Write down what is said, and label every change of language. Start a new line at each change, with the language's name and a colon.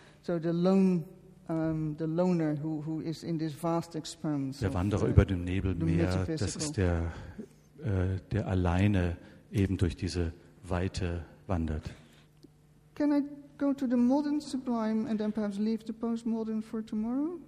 English: So the loner who is in this vast expanse.
German: Der Wanderer über dem Nebelmeer, das ist der, der alleine eben durch diese Weite wandert.
English: Can I go to the modern sublime and then perhaps leave the postmodern for tomorrow?